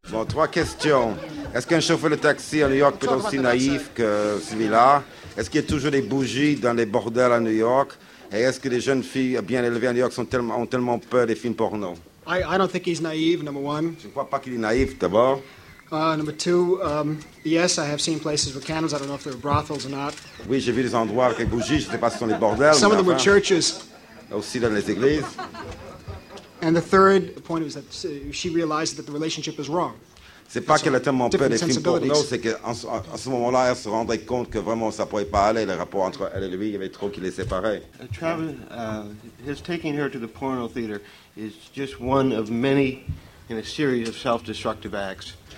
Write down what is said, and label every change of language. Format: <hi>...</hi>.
<fr>Bon, trois questions. Est-ce qu'un chauffeur de taxi à New York peut être aussi naïf que celui-là? Est-ce qu'il y a toujours des bougies dans les bordels à New York? Et est-ce que les jeunes filles bien élevées à New York ont tellement peur des films porno?</fr> <en>I don't think he's naive, number one.</en> <fr>Je ne crois pas qu'il est naïf, d'abord.</fr> <en>Number two, yes, I have seen places with candles. I don't know if there were brothels or not.</en> <fr>Oui, j'ai vu des endroits avec bougies. Je ne sais pas si ce sont des bordels.</fr> <en>Some of them were churches.</en> <fr>Aussi dans les églises.</fr> <en>And the third point was that she realized that the relationship was wrong.</en> <fr>C'est pas qu'elle a tellement peur des films porno, c'est qu'en ce moment-là, elle se rendait compte que vraiment ça pouvait pas aller. Le rapport entre elle et lui, il y avait trop qui les séparait.</fr> <en>Travis, his taking her to the porno theater is just one of many in a series of self-destructive acts.</en>